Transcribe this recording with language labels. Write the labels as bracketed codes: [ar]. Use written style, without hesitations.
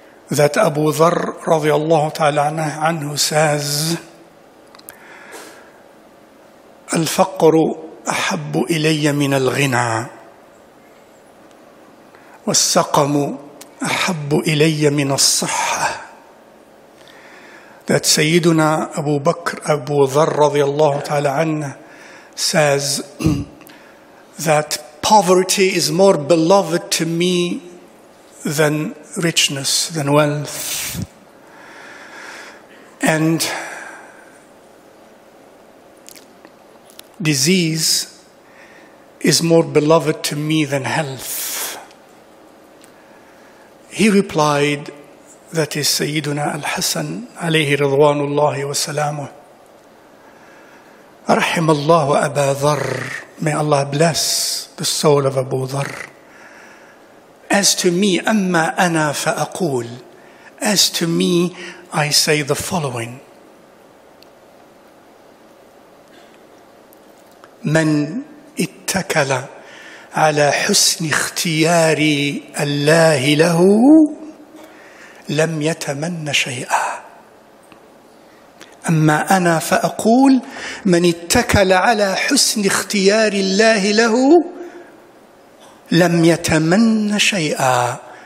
[ar] that أبو ذر رضي الله تعالى عنه says, الفقر أحب إلي من الغنى والسقم أحب إلي من الصحة. [en] That [ar] سيدنا أبو بكر أبو ذر رضي الله تعالى عنه [en] says that poverty is more beloved to me than richness, than wealth. And disease is more beloved to me than health. He replied, that is Sayyiduna al-Hasan alayhi ridwanullahi wa salamuh, [ar] رحم الله أبا ذر. [en] May Allah bless the soul of Abu Dharr. As to me, [ar] أما أنا فأقول. [en] As to me, I say the following. [ar] من اتكل على حسن اختيار الله له لم يتمن شيئا. أما أنا فأقول من اتكل على حسن اختيار الله له لم يتمن شيئا.